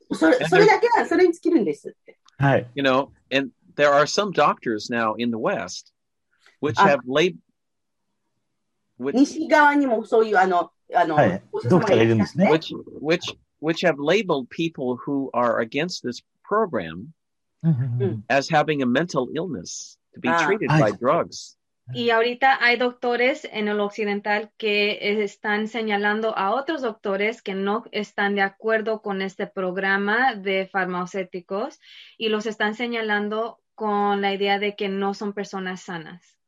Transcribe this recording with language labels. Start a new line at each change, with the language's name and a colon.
Japanese: それだけはそれに尽きるんですって。はい。
English: You know, andThere are some doctors now in the West which have labeled.
Japanese: 西側にもそういうあの、はい、ドクターがいるんですね。
English: Which have labeled people who are against this program as having a mental illness to be treated by drugs.
Spanish: Y ahorita hay doctores en el occidental que están señalando a otros doctores que no están de acuerdo con este programa de farmacéuticos y los están señalando. Con la idea de que no son personas sanas.